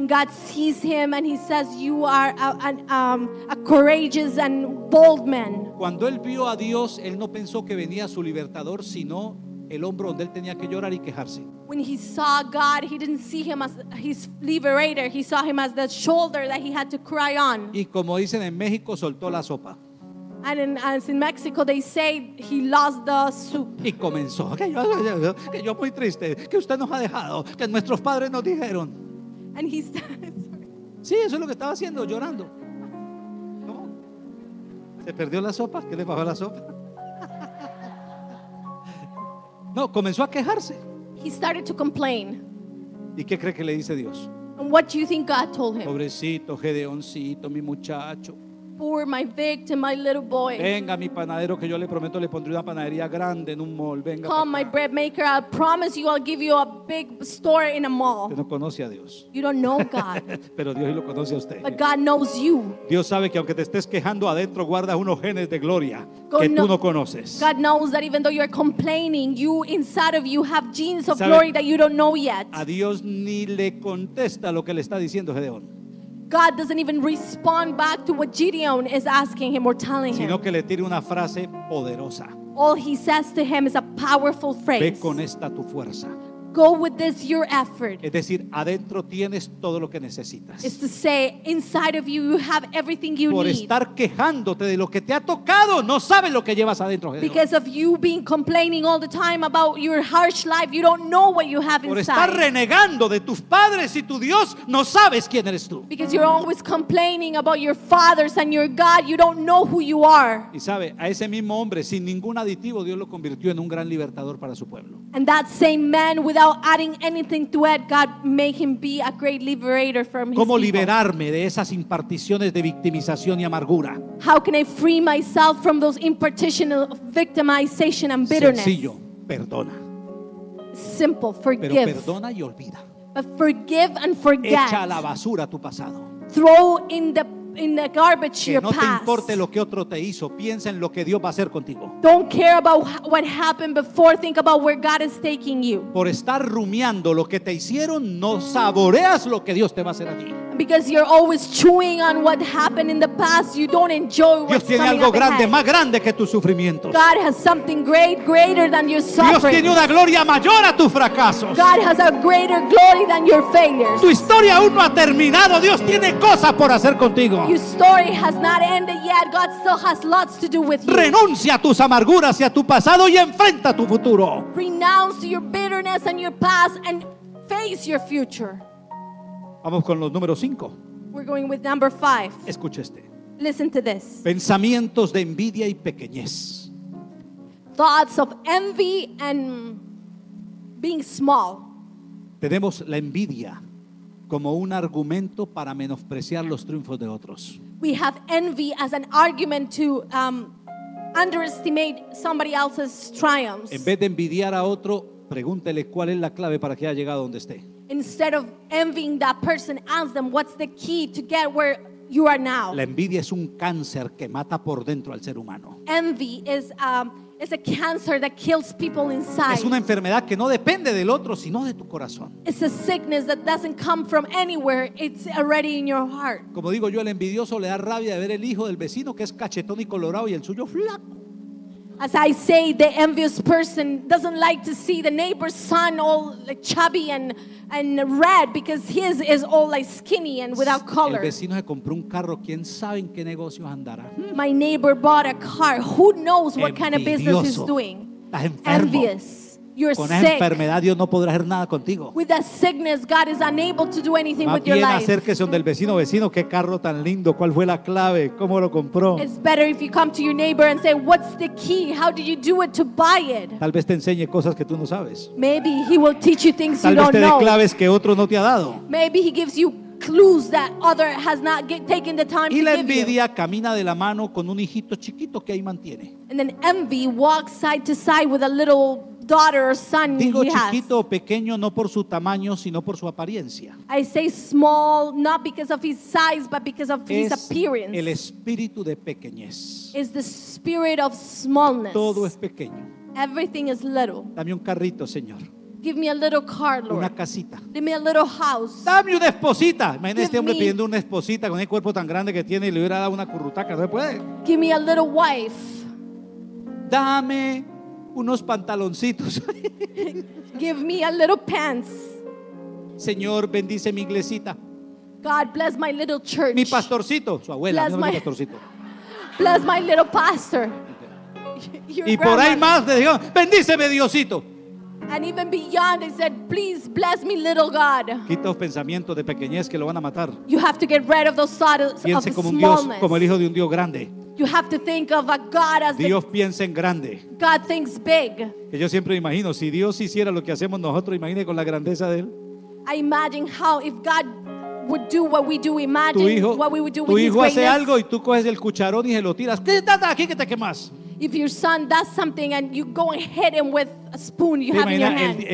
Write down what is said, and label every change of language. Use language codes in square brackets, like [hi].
[en] And God sees him and he says, you are a courageous and bold man. [es] Cuando él vio a Dios, él no pensó que venía su libertador, sino el hombro donde él tenía que llorar y quejarse. [en] When he saw God, he didn't see him as his liberator. He saw him as the shoulder that he had to cry on. [es] Y como dicen en México, soltó la sopa. [en] And in Mexico, they say he lost the soup. [es] Y comenzó que yo muy triste, que usted nos ha dejado, que nuestros padres nos dijeron. [en] And he says, [es] sí, eso es lo que estaba haciendo, llorando. ¿Cómo? ¿Se perdió la sopa? ¿Qué le pasó a la sopa? No, comenzó a quejarse. [en] He started to complain. [es] ¿Y qué cree que le dice Dios? [en] And what do you think God told him? [es] Pobrecito, Gedeoncito, mi muchacho. [en] Poor, my victim, my little boy. [es] Venga, mi panadero, que yo le prometo le pondré una panadería grande en un mall. Venga. [en] Come, my bread maker, I promise you I'll give you a big store in a mall. [es] Usted no conoce a Dios. [en] You don't know God. [es] Pero Dios lo conoce a usted. [en] But God knows you. [es] Dios sabe que aunque te estés quejando adentro guardas unos genes de gloria que tú no conoces. [en] God knows that even though you're complaining, you inside of you have genes of glory that you don't know yet. [es] A Dios ni le contesta lo que le está diciendo Gedeón. [en] God doesn't even respond back to what Gideon is asking him or telling him. [es] Sino que le tira una frase poderosa. [en] All he says to him is a powerful phrase. [es] Ve con esta tu fuerza. [en] Go with this your effort. [es] Es decir, adentro tienes todo lo que necesitas. [en] It's to say, inside of you, you have everything you [es] need. Por estar quejándote de lo que te ha tocado, no sabes lo que llevas adentro. [en] Because of you being complaining all the time about your harsh life, you don't know what you have inside. [es] Por estar renegando de tus padres y tu Dios, no sabes quién eres tú. [en] Because you're always complaining about your fathers and your God, you don't know who you are. [es] Y sabe, a ese mismo hombre, sin ningún aditivo, Dios lo convirtió en un gran libertador para su pueblo. [en] And that same man, without adding anything to it, God made him be a great liberator from his people. [es] ¿Cómo liberarme de esas imparticiones de victimización y amargura? [en] How can I free myself from those impartitions of victimization and bitterness? [es] Sencillo, perdona. [en] Simple, forgive. [es] Pero perdona y olvida. [en] But forgive and forget. [es] Echa a la basura tu pasado. [en] Throw in the garbage your past. [es] Que no te importe lo que otro te hizo, piensa en lo que Dios va a hacer contigo. [en] Don't care about what happened before, think about where God is taking you. [es] Por estar rumiando lo que te hicieron, no saboreas lo que Dios te va a hacer a ti. [en] Because you're always chewing on what happened in the past, you don't enjoy what's [es] Dios tiene algo grande, [en] ahead. [es] Más grande que tus sufrimientos. [en] God has something greater than your suffering. [es] Dios tiene una gloria mayor a tus fracasos. [en] God has a greater glory than your failures. [es] Tu historia aún no ha terminado, Dios tiene cosas por hacer contigo. [en] Your story has not ended yet, God still has lots to do with you. [es] Renuncia a tus amarguras y a tu pasado y enfrenta tu futuro. [en] Renounce your bitterness and your past and face your future. [es] Vamos con los números 5. [en] We're going with number 5. [es] Escucha este. [en] Listen to this. [es] Pensamientos de envidia y pequeñez. [en] Thoughts of envy and being small. [es] Tenemos la envidia como un argumento para menospreciar los triunfos de otros. [en] We have envy as an argument to underestimate somebody else's triumphs. [es] En vez de envidiar a otro, pregúntele cuál es la clave para que haya llegado donde esté. [en] Instead of envying that person, ask them what's the key to get where you are now. [es] La envidia es un cáncer que mata por dentro al ser humano. [en] Envy is a cancer that kills people inside. [es] Es una enfermedad que no depende del otro, sino de tu corazón. [en] It's a sickness that doesn't come from anywhere. It's already in your heart. [es] Como digo yo, el envidioso le da rabia de ver el hijo del vecino que es cachetón y colorado y el suyo flaco. [en] As I say, the envious person doesn't like to see the neighbor's son all like chubby and red because his is all like skinny and without color. [es] El vecino se compró un carro, ¿quién sabe en qué negocios andará? [en] My neighbor bought a car. Who knows what [es] envidioso. [en] Kind of business he's doing? [es] Estás enfermo. [en] Envious. you're [es] con esa enfermedad Dios no podrá hacer nada contigo. [en] With that sickness, God is unable to do anything with your life. [es] Más bien acérquese donde el vecino, qué carro tan lindo, ¿cuál fue la clave? ¿Cómo lo compró? [en] It's better if you come to your neighbor and say, what's the key? How did you do it to buy it? [es] Tal vez te enseñe cosas que tú no sabes. [en] Maybe he will teach you things [es] tal [en] you don't know. [es] Tal vez te dé claves que otro no te ha dado. [en] Maybe he gives you clues that other has not taken the time to give you. [es] Y la envidia camina de la mano con un hijito chiquito que ahí mantiene. [en] And then envy walks side to side with a little daughter or son he has. [es] Digo chiquito o pequeño no por su tamaño sino por su apariencia. [en] I say small not because of his size but because of his appearance. [es] El espíritu de pequeñez. [en] Is the spirit of smallness. [es] Todo es pequeño. [en] Everything is little. [es] Dame un carrito, Señor. [en] Give me a little car, Lord. [es] Una casita. [en] Give me a little house. [es] Dame una esposita. Imagínate este hombre pidiendo una esposita con el cuerpo tan grande que tiene y le hubiera dado una currutaca. No se puede. [en] Give me a little wife. [es] Dame unos pantaloncitos. [en] Give me a little pants. [es] Señor, bendice mi iglesita. [en] God bless my little church. [es] Mi pastorcito, su abuela, bless mi pastorcito. [en] Bless my little pastor. [es] Y por ahí más le dijo, bendíceme Diosito. [en] And even beyond, they said, please bless me, little God. [es] Quita los pensamientos de pequeñez que lo van a matar. [en] You have to get rid of those thoughts of smallness. [es] Piense como un Dios, como el hijo de un Dios grande. [en] You have to think of a God as [es] Dios piensa en grande. [en] God thinks big. [es] Que yo siempre imagino, si Dios hiciera lo que hacemos nosotros, imagine con la grandeza de él. [en] I imagine how if God would do what we do, imagine [es] hijo, [en] what we would do with his greatness. [es] Tu hijo hace algo y tú coges el cucharón y se lo tiras. ¿Qué estás aquí que te quemas? [en] If your son does something and you go and hit him with a spoon you have in your hand.